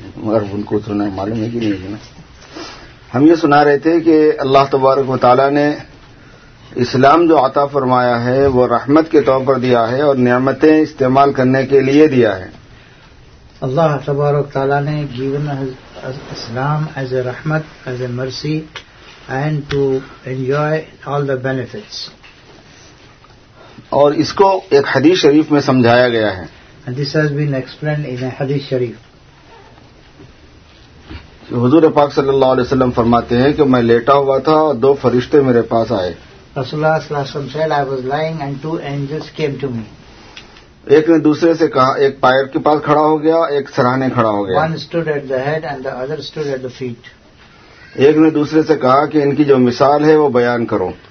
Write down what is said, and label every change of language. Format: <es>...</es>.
<ur>مگر ان کو سنا معلوم ہے کہ نہیں. ہم یہ سنا رہے تھے کہ اللہ تبارک و تعالی نے اسلام جو عطا فرمایا ہے وہ رحمت کے طور پر دیا ہے اور نعمتیں استعمال کرنے کے لیے دیا ہے.</ur> <en>Allah Tabarak Ta'ala has given us Islam as a rahmat, as a mercy, and to enjoy all the benefits.</en> <ur>اور اس کو ایک حدیث شریف میں سمجھایا گیا ہے.</ur> <en>And this has been explained in a hadith sharif.</en> <ur>حضور پاک صلی اللہ علیہ وسلم فرماتے ہیں کہ میں لیٹا ہوا تھا اور دو فرشتے میرے پاس آئے.</ur> <en>رسول اللہ صلی اللہ علیہ وسلم said, I was lying and two angels came to me.</en> <ur>ایک نے دوسرے سے کہا, ایک پائر کے پاس کھڑا ہو گیا, ایک سرانے کھڑا ہو گیا.</ur> <en>One stood at the head and the other stood at the feet.</en> <ur>ایک نے دوسرے سے کہا کہ ان کی جو مثال ہے وہ بیان کرو.</ur>